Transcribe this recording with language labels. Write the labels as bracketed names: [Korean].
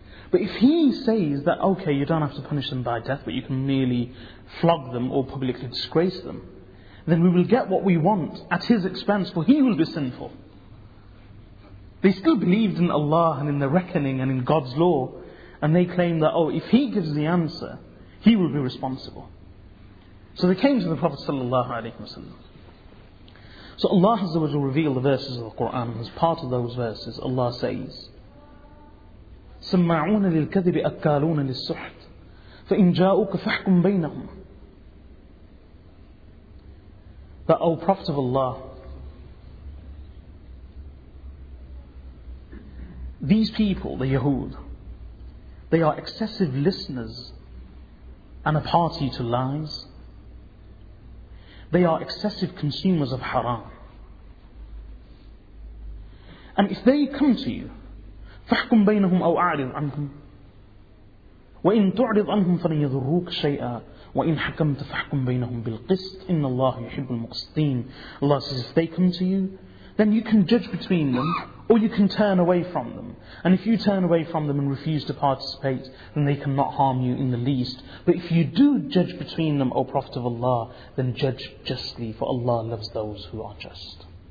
[English] But if he says that, okay, you don't have to punish them by death, but you can merely flog them or publicly disgrace them, then we will get what we want at his expense, for he will be sinful. They still believed in Allah and in the reckoning and in God's law, and they claimed that, oh, if he gives the answer, he will be responsible. So they came to the Prophet sallallahu alaihi wasallam. So Allah Azza wa Jalla revealed the verses of the Quran. As part of those verses, Allah says, [Arabic] سَمَّعُونَ لِلْكَذِبِ أَكَّالُونَ لِلسُّحْتِ فَإِنْ جَاءُكَ فَحْكُمْ بَيْنَهُمْ. [English] That, O Prophet of Allah, these people, the Yahud, they are excessive listeners and a party to lies. They are excessive consumers of haram. And if they come to you, [Arabic] فَحْكُمْ بَيْنَهُمْ أَوْ أَعْرِضْ عَنْهُمْ وَإِنْ تُعْرِضْ عَنْهُمْ فَلَنْ يَذُرُّوكَ شَيْئًا وَإِنْ حَكَمْتَ فَحْكُمْ بَيْنَهُمْ بِالْقِسْطِ إِنَّ اللَّهُ يُحِبُّ الْمُقْسِطِينَ. [English] Allah says, if they come to you, then you can judge between them, or you can turn away from them. And if you turn away from them and refuse to participate, then they cannot harm you in the least. But if you do judge between them, O Prophet of Allah, then judge justly, for Allah loves those who are just.